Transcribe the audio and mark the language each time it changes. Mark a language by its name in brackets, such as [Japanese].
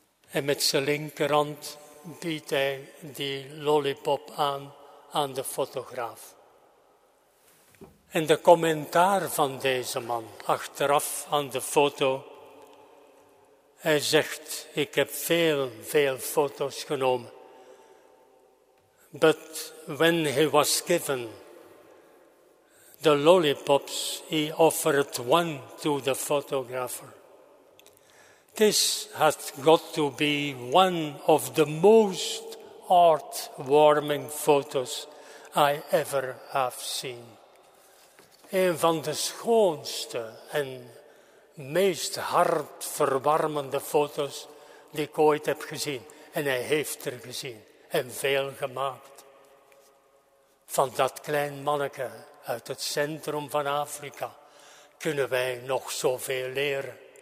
[Dutch] En met zijn linkerhand biedt hij die lollipop aan, aan de fotograaf. En de commentaar van deze man, achteraf aan de foto, hij zegt, ik heb veel, veel foto's genomen. [English] But when he was given the lollipops, he offered one to the photographer. This has got to be one of the most heartwarming photos I ever have seen. [Dutch] Een van de schoonste en meest hartverwarmende foto's die ik ooit heb gezien. En hij heeft er gezien en veel gemaakt. Van dat klein manneke uit het centrum van Afrika kunnen wij nog zoveel leren.